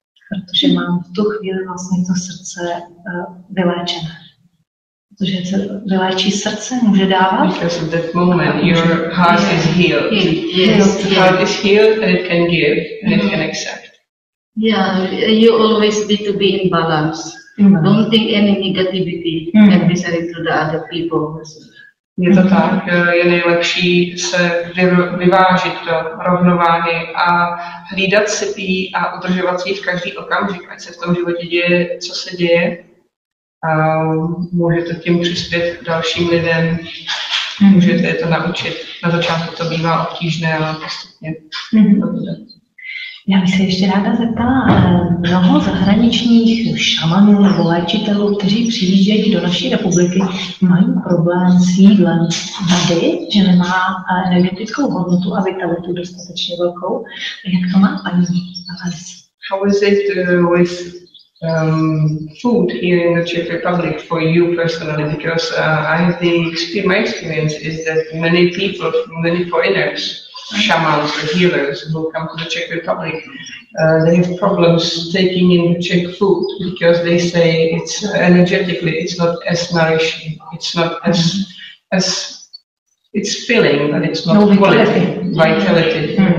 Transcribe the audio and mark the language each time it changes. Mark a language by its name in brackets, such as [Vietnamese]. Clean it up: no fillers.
[Czech] Protože mám v tu chvíli vlastně to srdce vyléčené. Protože se vyléčí srdce, může dávat. [English] Because at that moment your heart is healed. Yes. The heart is healed and it can give and it can accept. Yeah, you always need to be in balance. Don't think any negativity and be sorry to the other people. [Czech] Je to tak, je nejlepší se vyvážit do rovnováhy a hlídat si pí a udržovat si v každý okamžik, ať se v tom životě děje, co se děje. Můžete tím přispět dalším lidem, můžete je to naučit. Na začátku to bývá obtížné, ale postupně to bude. Já bych se ještě ráda zeptala, mnoho zahraničních šamanů nebo léčitelů, kteří přijíždějí do naší republiky, mají problém s jídlem vody, že nemá energetickou hodnotu a vitalitu dostatečně velkou. Jak to má paní Alice? [English] How is it with food here in the Czech Republic for you personally? Because I think my experience is that many people, many foreigners, shamans or healers who come to the Czech Republic, they have problems taking in Czech food because they say it's energetically, it's not as nourishing, it's not as, as it's filling, but it's not quality, vitality.